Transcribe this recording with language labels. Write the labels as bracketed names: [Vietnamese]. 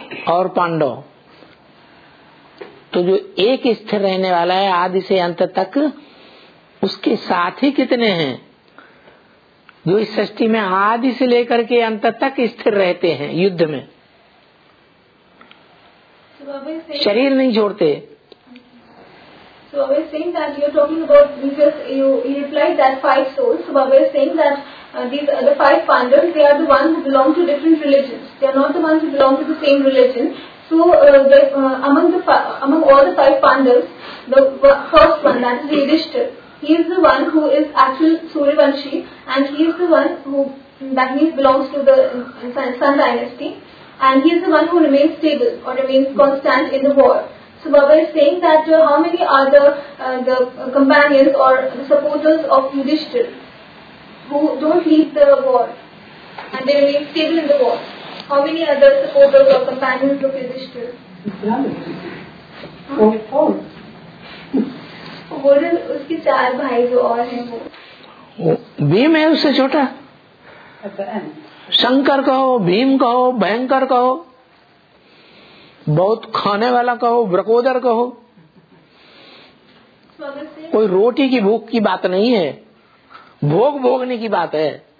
[Hindi] और पांडव तो जो एक स्थिर रहने वाला है आदि से अंत तक, उसके साथ ही कितने हैं जो इस सृष्टि में आदि से लेकर के अंत तक स्थिर रहते हैं युद्ध में, शरीर नहीं छोड़ते। [English] So Baba is saying that you are talking about, because you replied that five souls. So Baba is saying that the five Pandavas, they are the ones who belong to different religions. They are not the ones who belong to the same religion. So among all the five Pandavas, the first one, that is Yudhishthir, he is the one who is actual Suryavanshi, and he is the one who, that means, belongs to the Sun dynasty, and he is the one who remains stable or remains constant in the war. So Baba is saying that how many are the companions or the supporters of Yudhishthir who don't leave the war and they remain stable in the war? How many are the supporters or companions of Yudhishthir? Four. [Hindi] वो जो उसके चार भाई जो और हैं वो भीम है उससे छोटा, शंकर कहो, भीम कहो, भयंकर कहो, बहुत खाने वाला कहो, ब्रकोदर कहो, कोई रोटी की भूख की बात नहीं है, भोग भोगने की बात है।